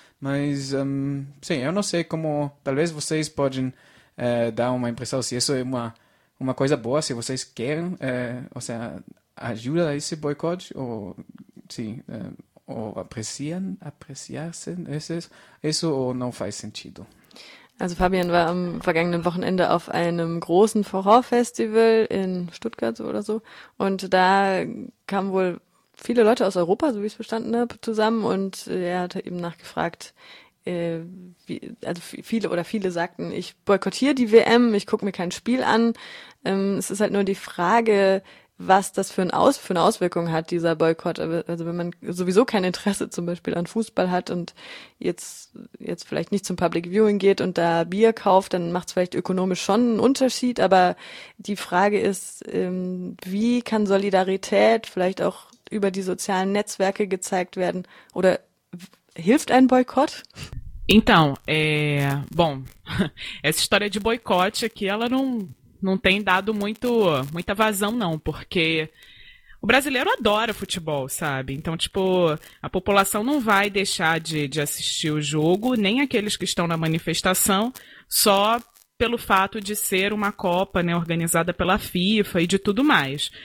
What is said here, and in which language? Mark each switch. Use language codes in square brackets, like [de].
[pt] Mas, sim, eu não sei como... Talvez vocês podem... dá uma impressão se isso é uma coisa boa, se vocês querem, ou seja, ajuda esse boicote, ou sim, ou apreciar-se isso ou não faz sentido. [de] Also Fabian war am vergangenen Wochenende auf einem großen Horrorfestival in Stuttgart oder so, und da kamen wohl viele Leute aus Europa, so wie ich es verstanden habe, zusammen, und er hatte eben nachgefragt, viele sagten, ich boykottiere die WM, ich gucke mir kein Spiel an. Es ist halt nur die Frage, was das für eine Auswirkung hat, dieser Boykott. Also wenn man sowieso kein Interesse zum Beispiel an Fußball hat und jetzt vielleicht nicht zum Public Viewing geht und da Bier kauft, dann macht es vielleicht ökonomisch schon einen Unterschied. Aber die Frage ist, wie kann Solidarität vielleicht auch über die sozialen Netzwerke gezeigt werden oder hilft ein Boykott? [pt] Então, bom, essa história de boicote aqui, ela não tem dado muita vazão, não, porque o brasileiro adora futebol, sabe? Então, tipo, a população não vai deixar de assistir o jogo, nem aqueles que estão na manifestação, só pelo fato de ser uma Copa, né, organizada pela FIFA e de tudo mais.